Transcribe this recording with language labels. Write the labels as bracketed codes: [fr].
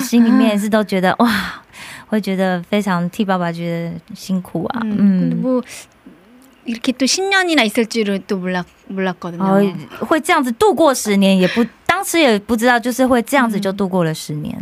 [zh] 心里面是都觉得哇 会觉得非常替爸爸觉得辛苦啊 [ko] 이렇게 또 10년이나 있을 줄은 또 몰랐거든요. [zh] 会这样子度过十年，也不当时也不知道，就是会这样子就度过了十年。